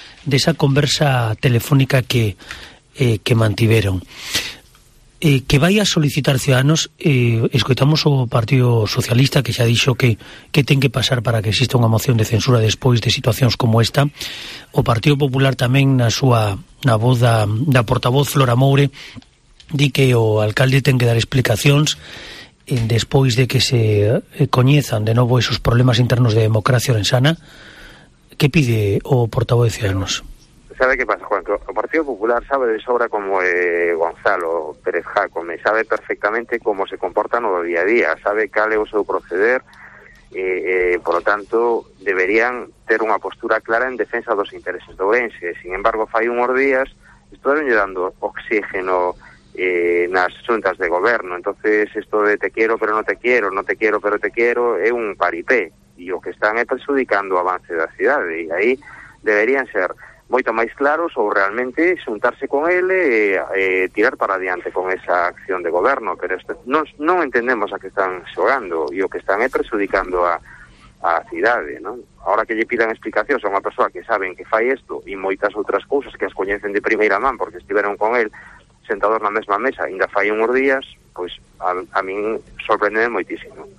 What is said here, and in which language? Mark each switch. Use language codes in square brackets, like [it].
[gl] de esa conversa telefónica que mantiveron. Que vaya a solicitar Ciudadanos, escoitamos o Partido Socialista, que xa dixo que ten que pasar para que exista unha moción de censura despois de situacións como esta. O Partido Popular tamén, na voz da portavoz Flora Moure, di que o alcalde ten que dar explicacións despois de que se coñezan de novo esos problemas internos de democracia orensana. Que pide o portavoz de Ciudadanos? [es] ¿Sabe qué pasa, Juan? El Partido Popular sabe de sobra como Gonzalo Pérez Jácome, sabe perfectamente cómo se comporta en el día a día, [gl] sabe cale o seu proceder, [es] por lo tanto, deberían tener una postura clara en defensa dos intereses de Ourense. Sin embargo, fai unos días estuvieron llevando oxígeno en las xuntas de gobierno. Entonces, esto de te quiero pero no te quiero, no te quiero pero te quiero, es un paripé. Y lo que están es perjudicando o avance de la ciudad. [gl] Y ahí deberían ser moito máis claros ou realmente xuntarse con ele e tirar para adiante con esa acción de goberno, pero isto, non entendemos a que están xogando e o que están é perxudicando a cidade, non? Ahora que lle pidan explicacións a unha persoa que saben que fai isto e moitas outras cousas que as coñecen de primeira man porque estiveron con el sentados na mesma mesa ainda fai uns días, pois a min sorprende moitísimo.